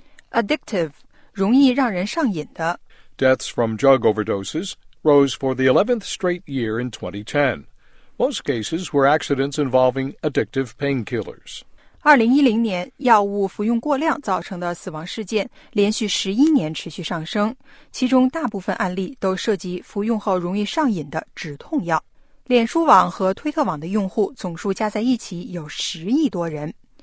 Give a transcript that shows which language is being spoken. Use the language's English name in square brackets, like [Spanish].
[Chinese] Addictive, 容易让人上瘾的。 [English] Deaths from drug overdoses rose for the 11th straight year in 2010. Most cases were accidents involving addictive painkillers. [Chinese] 2010年药物服用过量造成的死亡事件连续11年持续上升，其中大部分案例都涉及服用后容易上瘾的止痛药。脸书网和推特网的用户总数加在一起有十亿多人。